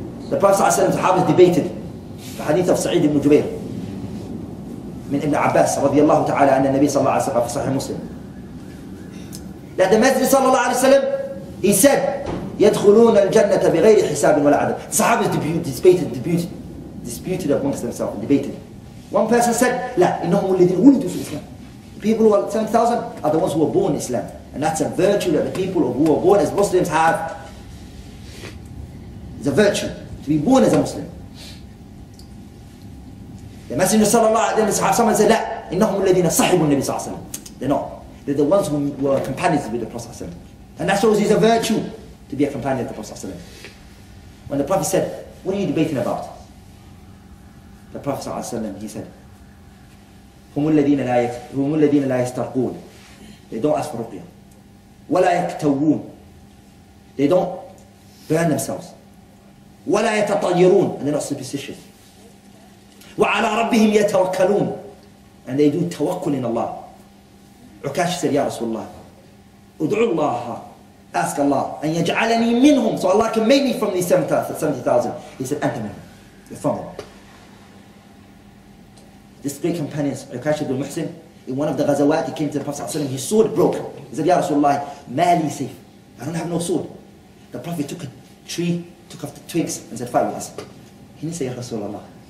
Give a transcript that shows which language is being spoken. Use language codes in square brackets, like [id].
[en] The Prophet sallallahu alayhi wa sallam, the Prophet debated the hadith of Sa'id ibn Jubayr min Ibn Abbas radiyallahu ta'ala anna Nabi sallallahu alayhi wa sallam, sahih Muslim, that the Messenger sallallahu alayhi wa sallam, he said, [ar] يَدْخُلُونَ الْجَنَّةَ بِغَيْرِ حِسَابٍ وَلَا عَذَابٍ. [en] Sahabas disputed amongst themselves and debated. One person said, [ar] لا, إنهم الذين ولدوا في الإسلام. [en] People who are 70,000 are the ones who were born Islam. And that's a virtue that the people who were born as Muslims have. It's a virtue to be born as a Muslim. [ar] The Messenger صلى الله عليه وسلم, [en] someone said, [ar] لا, إنهم الذين صحبوا النبي صلى الله عليه وسلم. [en] They're not. They're the ones who were companions with the Prophet صلى الله عليه وسلم. And that's always a virtue to be a companion of the Prophet صلى الله عليه وسلم. When the Prophet said, what are you debating about? [ar] The Prophet صلى الله عليه وسلم, [en] he said, [ar] هم الذين لا يسترقون. [en] They don't ask for ruqya. [ar] ولا يكتوون. [en] They don't burn themselves. [ar] ولا يتطيرون. [en] And they're not superstitious. [ar] وعلى ربهم يتوكلون. [en] And they do توكل in Allah. [ar] عكاش said, يا رسول الله, ادعو الله. [en] Ask Allah. [ar] أن يجعلني منهم. [en] So Allah can make me from these 70,000. He said, [ar] أنت منهم. [en] You're from them. This great companion, Ukash ibn Muhsin, in one of the ghazawat, he came to the Prophet ﷺ, his sword broke. He said, Ya Rasulullah, mali safe. I don't have no sword. The Prophet took a tree, took off the twigs, and said, fight with us. He didn't say, Ya Rasulullah.